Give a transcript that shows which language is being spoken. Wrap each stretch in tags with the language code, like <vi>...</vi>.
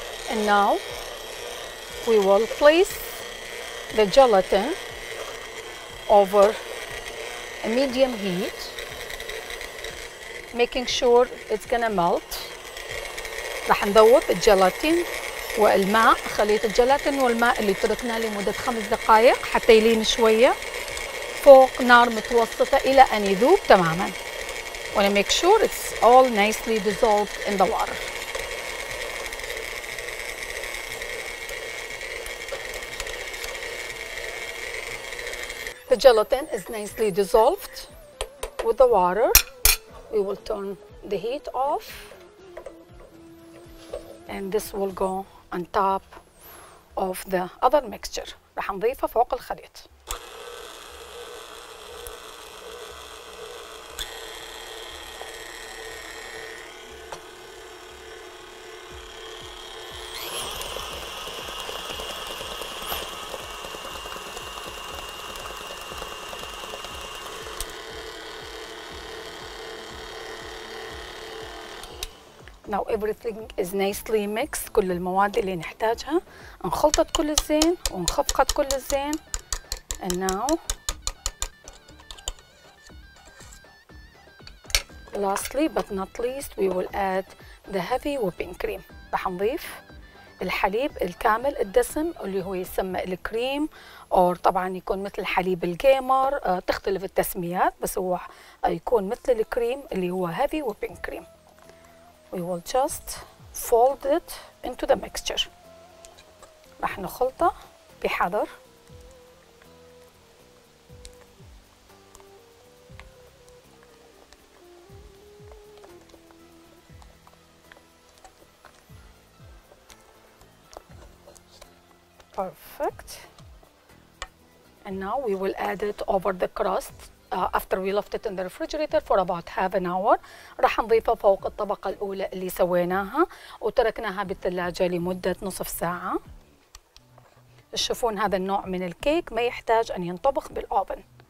<en>And now we will place the gelatin over a medium heat, making sure it's gonna melt.</en> <ar>راح نذوب الجيلاتين والماء، خليط الجيلاتين والماء اللي تركناه لمدة 5 دقائق حتى يلين شوية فوق نار متوسطة إلى أن يذوب تماماً.</ar> <en>Wanna make sure it's all nicely dissolved in the water. The gelatin is nicely dissolved with the water. We will turn the heat off. And this will go on top of the other mixture.</en> <ar>رح نضيفه فوق الخليط.</ar> <en>Now everything is nicely mixed.</en> <ar>كل المواد اللي نحتاجها انخلطت كل الزين وانخفقت كل الزين.</ar> <en>And now lastly but not least we will add the heavy whipping cream.</en> <ar>رح نضيف الحليب الكامل الدسم اللي هو يسمى الكريم أو طبعا يكون مثل حليب الجيمر تختلف التسميات بس هو يكون مثل الكريم اللي هو</ar> <en>heavy whipping cream. We will just fold it into the mixture.</en> <ar>رح نخلطه بحذر.</ar> <en>Perfect. And now we will add it over the crust. After we left it in the refrigerator for about half an hour</en> <ar>راح نضيفه فوق الطبقة الأولى اللي سويناها وتركناها بالثلاجة لمدة نصف ساعة. تشوفون هذا النوع من الكيك ما يحتاج أن ينطبخ بالأوفن.</ar>